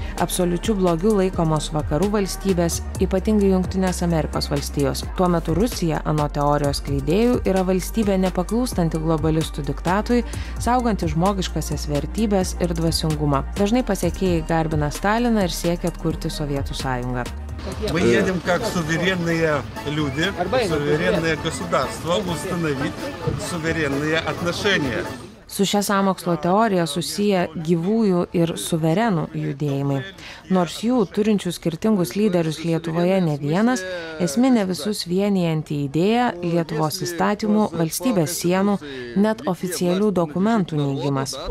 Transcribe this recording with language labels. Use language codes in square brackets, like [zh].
[lt] Absoliučių blogių laikomos vakarų valstybės, ypatingai Jungtinės Amerikos valstijos. Tuo metu Rusija, anot teorijos skleidėjų, yra valstybė nepaklūstanti globalistų diktatui, sauganti žmogiškasias vertybes ir dvasingumą. Dažnai pasiekėjai garbina Staliną ir siekia atkurti Sovietų Sąjungą. [ru] Мы едем как суверенные люди, суверенное государство, установить суверенные отношения. [lt] Su šia sąmokslo teorija susiję gyvųjų ir suverenų judėjimai. Nors jų, turinčių skirtingus lyderius Lietuvoje ne vienas, esminė visus vienijanti idėja – Lietuvos įstatymų, valstybės sienų, net oficialių dokumentų neigimas.